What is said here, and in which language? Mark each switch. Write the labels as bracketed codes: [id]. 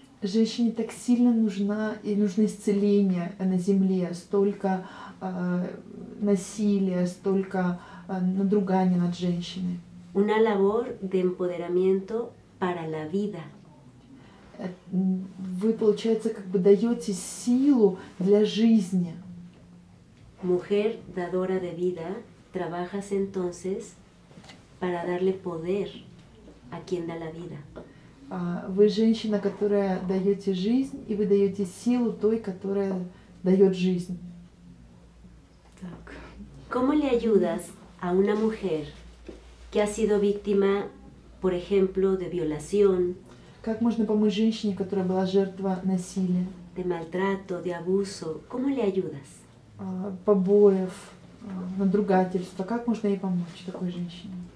[ru] Женщине так сильно нужна и нужно исцеление на земле, столько насилия, столько надругания над женщиной. [es] Una labor de empoderamiento para la vida. [ru] Вы, получается, как бы даете силу для жизни. [es] Mujer dadora de vida, trabajas entonces para darle poder a quien da la vida. [ru] Вы женщина, которая даете жизнь, и вы даете силу той, которая дает жизнь. Так. [es] ¿Cómo le ayudas a una mujer que ha sido víctima, por ejemplo, de violación? [ru] Как можно помочь женщине, которая была жертва насилия? [es] De maltrato, de abuso. ¿Cómo le ayudas? [ru] Побоев, надругательства. Как можно ей помочь такой женщине?